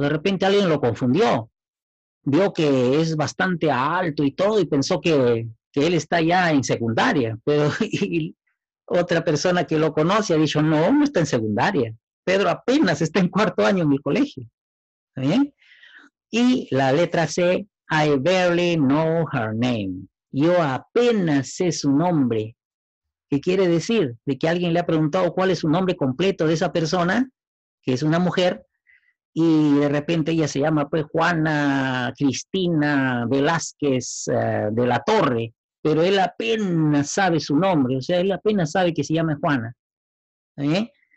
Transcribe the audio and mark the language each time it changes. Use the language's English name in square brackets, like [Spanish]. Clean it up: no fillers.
[Spanish] De repente alguien lo confundió. Vio que es bastante alto y todo y pensó que él está ya en secundaria. Pero otra persona que lo conoce ha dicho, no, no está en secundaria. Pedro apenas está en cuarto año en el colegio. ¿Está bien? Y la letra C, [English] I barely know her name. [Spanish] Yo apenas sé su nombre. ¿Qué quiere decir? De que alguien le ha preguntado cuál es su nombre completo de esa persona, que es una mujer, y de repente ella se llama pues Juana Cristina Velázquez de la Torre, pero él apenas sabe su nombre, o sea, él apenas sabe que se llama Juana. ¿Eh?